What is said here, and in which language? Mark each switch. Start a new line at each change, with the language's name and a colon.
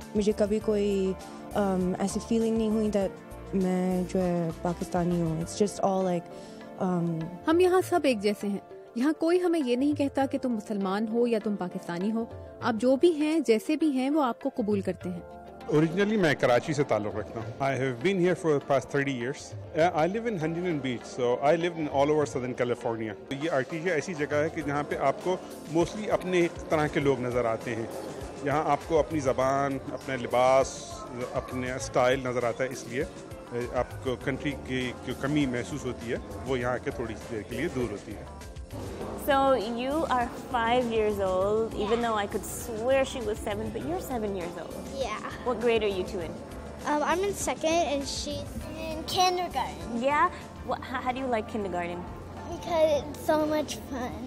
Urdu: مجھے کبھی کوئی ایسی فیلنگ نہیں ہوئی دیٹ میں جو ہے پاکستانی ہوں.
English: it's just all like
Urdu: ہم یہاں سب ایک جیسے ہیں. یہاں کوئی ہمیں یہ نہیں کہتا کہ تم مسلمان ہو یا تم پاکستانی ہو، آپ جو بھی ہیں، جیسے بھی ہیں، وہ آپ کو قبول کرتے ہیں. Originally میں کراچی سے تعلق رکھتا ہوں.
English: I have been here for the past 30 years. I live in Huntington Beach, so I live in all over Southern California.
Urdu: یہ آرٹیشیا ایسی جگہ ہے کہ جہاں پہ آپ کو موسٹلی اپنے طرح کے لوگ نظر آتے ہیں. یہاں آپ کو اپنی زبان، اپنا لباس، اپنے اسٹائل نظر آتا ہے، اس لیے آپ کو کنٹری کی کمی محسوس ہوتی ہے، وہ یہاں کے تھوڑی سی دیر کے لیے دور ہوتی ہے.
English: So you are 5 years old, even though I could swear she was 7, but you're 7 years old. Yeah. What grade are you two in? I'm in second and she's in kindergarten. Yeah? How do you like kindergarten? Because it's so much fun.